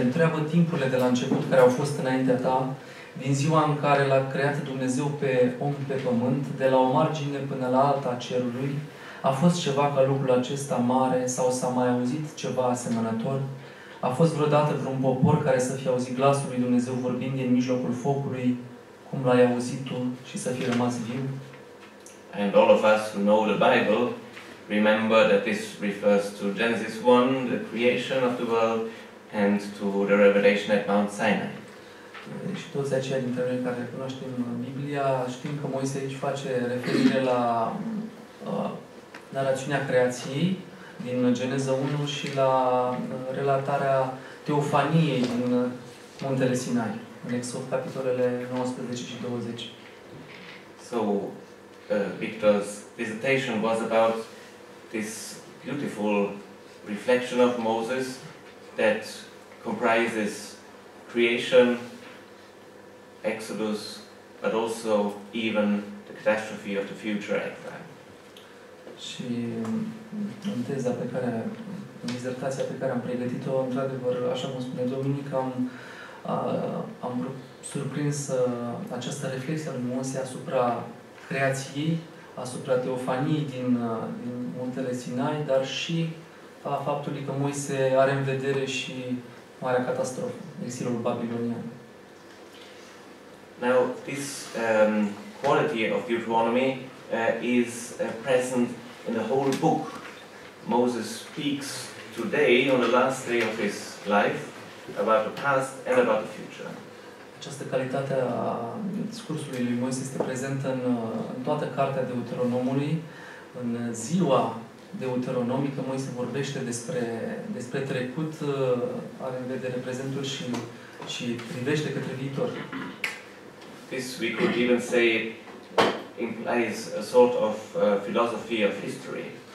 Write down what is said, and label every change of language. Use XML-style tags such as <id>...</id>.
<ro>Întreabă timpurile de la început care au fost înaintea ta, din ziua în care l-a creat Dumnezeu pe om pe pământ, de la o margine până la alta a cerului, a fost ceva ca lucrul acesta mare sau s-a mai auzit ceva asemănător? A fost vreodată vreun popor care să fie auzit glasul lui Dumnezeu vorbind din mijlocul focului, cum l-ai auzit tu și să fie rămas viu?</ro> <en>And all of us who know the Bible remember that this refers to Genesis 1, the creation of the world, and to the revelation at Mount Sinai.</en> <ro>Și toți aceia dintre noi care cunoaștem Biblia știm că Moise aici face referire la narațiunea creației din Geneza 1 și la relatarea teofaniei din Muntele Sinai, în Exod, capitolele 19 și 20.</ro> <en>So, Victor's dissertation was about this beautiful reflection of Moses that comprises creation, Exodus, but also even the catastrophe of the future exile.</en> <ro>Și în teza pe care, în disertația pe care am pregătit-o, într-adevăr, așa cum spune Dominica, am surprins această reflexie a lui Moise asupra creației, asupra teofaniei din Muntele Sinai, dar și a faptului că Moise are în vedere și marea catastrofă, exilul babilonian.</ro> <en>Now, this quality of Deuteronomy is present in the whole book. Moses speaks today, on the last day of his life, about the past and about the future.</en> <ro>Această calitate a discursului lui Moise este prezentă în toată cartea Deuteronomului, în ziua deuteronomică, Moise vorbește despre trecut, are în vedere prezentul și privește către viitor.</ro> <en>This we could even say implies a sort of philosophy of history.</en>